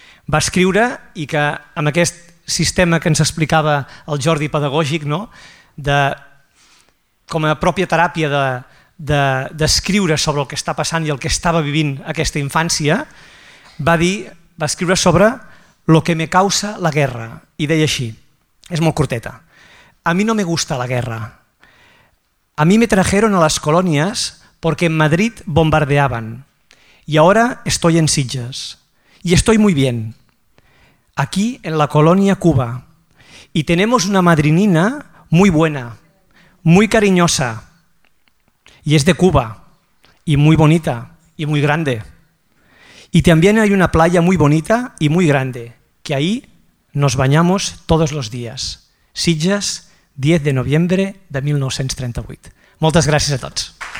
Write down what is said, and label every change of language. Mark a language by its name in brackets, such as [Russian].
[Catalan] va escriure i que amb aquest sistema que ens explicava el Jordi pedagògic, no? De, com a pròpia teràpia d'escriure sobre el que està passant i el que estava vivint aquesta infància, va escriure sobre [Spanish] lo que me causa la guerra. [Catalan] I deia així, és molt corteta. [Spanish] A mi no me gusta la guerra. A mi me trajeron a las colonias porque en Madrid bombardeaban. Y ahora estoy en Sitges. Y estoy muy bien. Aquí en la colonia Cuba. Y tenemos una madrinina muy buena, muy cariñosa. Y es de Cuba. Y muy bonita y muy grande. Y también hay una playa muy bonita y muy grande, que ahí nos bañamos todos los días. [Catalan] Sitges, 10 de novembre de 1938. Moltes gràcies a tots.